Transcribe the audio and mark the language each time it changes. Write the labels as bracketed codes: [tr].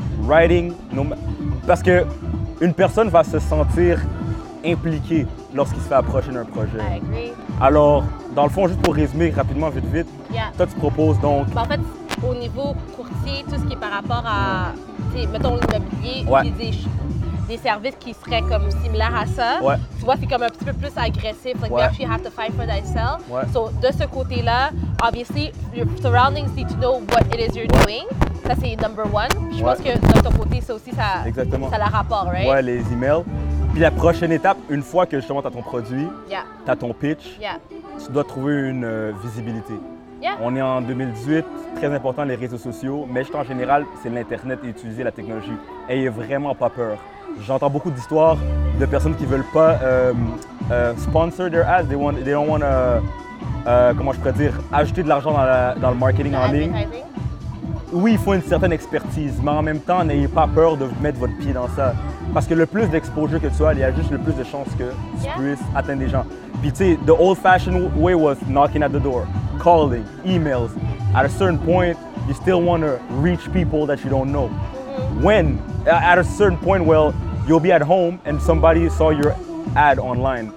[fr] Writing, parce que une personne va se sentir impliquée lorsqu'il se fait approcher d'un projet. [en] I agree. [fr] Alors, dans le fond, juste pour résumer rapidement, vite, toi, tu proposes donc. Bon, en fait, au niveau courtier, tout ce qui est par rapport à, mettons, l'immobilier, des services qui seraient comme similaires à ça, tu vois, c'est comme un petit peu plus agressif. [en] Like, you actually have to fight for thyself. [fr] Ouais. [en] So, [fr] de ce côté-là, [en] obviously, your surroundings need to know what it is you're doing. [fr] Ça, c'est [en] number one. [fr] Je pense que de ton côté, ça aussi, ça, ça la rapporte, right? Ouais, les emails. Puis la prochaine étape, une fois que justement tu as ton produit, tu as ton pitch, tu dois trouver une visibilité. [en] Yeah. [fr] On est en 2018, très important les réseaux sociaux, mais juste en général, c'est l'Internet et utiliser la technologie. Ayez vraiment pas peur. J'entends beaucoup d'histoires de personnes qui veulent pas [en] sponsor their ads. They don't want to [fr] ajouter de l'argent dans le marketing en ligne. Oui, il faut une certaine expertise, mais en même temps, n'ayez pas peur de mettre votre pied dans ça. Parce que le plus d'exposure que tu as, il y a juste le plus de chances que tu puisses atteindre des gens. Puis tu sais, [en] the old fashioned way was knocking at the door, calling, emails. At a certain point, you still want to reach people that you don't know. Mm-hmm. When? At a certain point, well, you'll be at home and somebody saw your ad online.